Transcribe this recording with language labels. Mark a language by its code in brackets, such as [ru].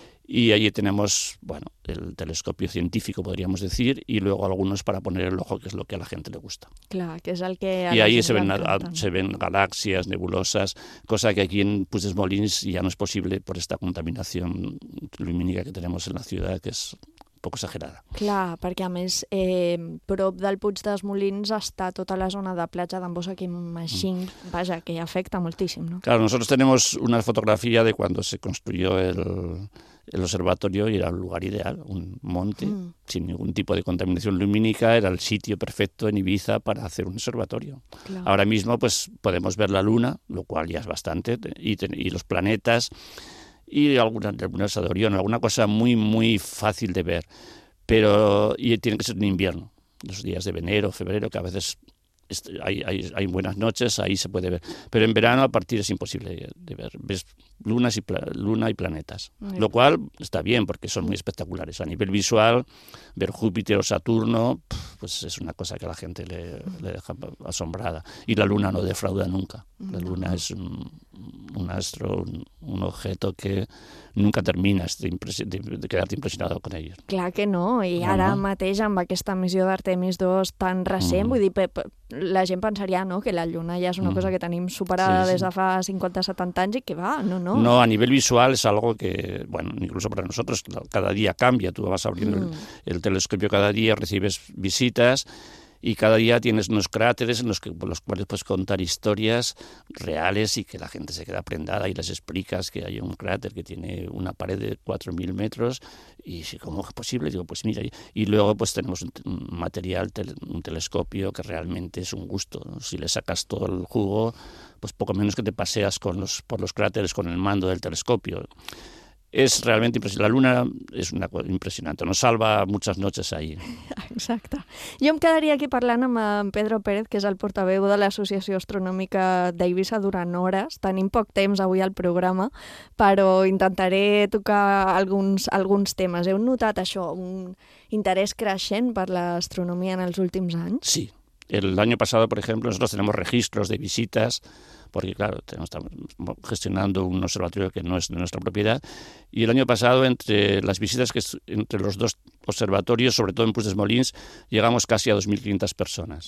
[es] Y allí tenemos, el telescopio científico, podríamos decir, y luego algunos para poner el ojo, que es lo que a la gente le gusta. Claro, que es el que... Y ahí se ven galaxias, nebulosas, cosa que aquí en Puig dels Molins ya no es posible por esta contaminación lumínica que tenemos en la ciudad, que es un poco exagerada. [ca] Clar, perquè a més, prop del Puig dels Molins està tota la zona de platja d'en Bosa, que imagino, que afecta moltíssim, no? [es] Claro, nosotros tenemos una fotografía de cuando se construyó el observatorio y era un lugar ideal, un monte sin ningún tipo de contaminación lumínica, era el sitio perfecto en Ibiza para hacer un observatorio. Claro. Ahora mismo pues podemos ver la luna, lo cual ya es bastante, y los planetas y algunas de Orión, alguna cosa muy muy fácil de ver, pero y tiene que ser en invierno, los días de enero, febrero, que a veces hay buenas noches, ahí se puede ver. Pero en verano a partir es imposible de ver. Ves luna y planetas. Lo cual está bien porque son muy espectaculares. A nivel visual, ver Júpiter o Saturno, pues es una cosa que a la gente le deja asombrada. Y la luna no defrauda nunca. La luna es un astro, un objeto que nunca terminas de quedarte impresionado con ella. [ca] Clar que no, i ara no, no. Mateix amb aquesta missió d'Artemis 2 tan recent, vull dir, la gent pensaria, no, que la luna ja és una cosa que tenim superada des de fa 50-70 anys i que va, no, no. [es] No, [ca] a nivell visual és [es] algo que, bueno, incluso para nosotros [ca] cada dia canvia, [es] tu vas abrint el telescopio cada dia, recibes visites y cada día tienes unos cráteres en los cuales puedes contar historias reales y que la gente se queda prendada y les explicas que hay un cráter que tiene una pared de 4.000 metros y si, ¿cómo es posible? Digo, pues mira, y luego pues tenemos un telescopio que realmente es un gusto, ¿no? Si le sacas todo el jugo, pues poco menos que te paseas por los cráteres con el mando del telescopio. Es realmente impresionante. La luna es una cosa impresionante. Nos salva muchas noches ahí. [ca] Exacte. Jo em quedaria aquí parlant amb en Pedro Pérez, que és el portaveu de l'Associació Astronòmica d'Eivissa, durant hores. Tenim poc temps avui al programa, però intentaré tocar alguns temes. Heu notat això, un interès creixent per l'astronomia en els últims anys? Sí. L'any passat, per exemple, nosaltres tenim registres de visites, [es] porque claro, estamos gestionando un observatorio que no es de nuestra propiedad, y el año pasado entre las visitas que entre los dos observatorios, sobre todo en Puigdesmolins, llegamos casi a 2.500 personas.